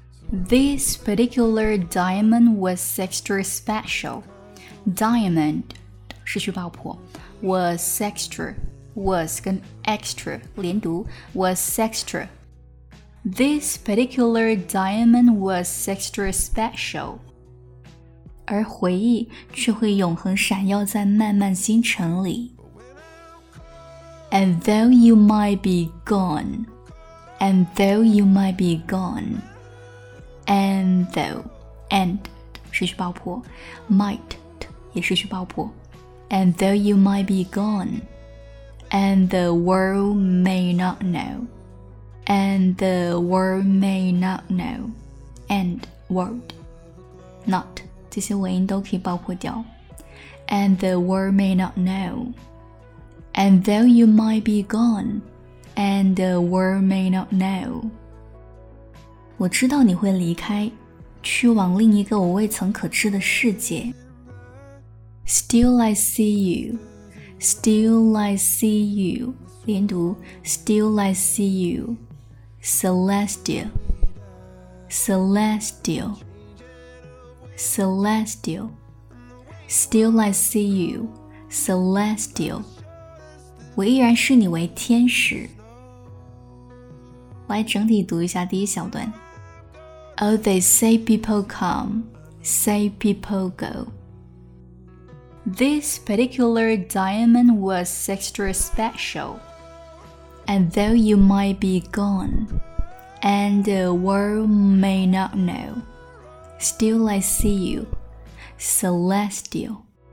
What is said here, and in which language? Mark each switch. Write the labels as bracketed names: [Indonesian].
[English] This particular diamond was extra special. Diamond. [Chinese] 是去爆破 [English] was extra, was [Chinese] 跟 [English] extra [Chinese] 连读 [English] was extra. This particular diamond was extra special. [Chinese] 而回忆却会永恒闪耀在漫漫星辰里。 [English] And though you might be gone, and though you might be gone, and though, [Chinese] and 是去爆破 might 也是去爆破。 [English] And though you might be gone, and the world may not know, and the world may not know, [Chinese] and world, not, 这些尾音都可以爆破掉。 [English] And the world may not know, and though you might be gone, and the world may not know. [Chinese] 我知道你会离开，去往另一个我未曾可知的世界。 [English] Still I see you, still I see you, 连读 still I see you, celestial, celestial, celestial, still I see you, celestial, [Chinese] 我依然视你为天使。来整体读一下第一小段。 [English] Oh, they say people come, say people go. This particular diamond was extra special. And though you might be gone, and the world may not know, still I see you, celestial.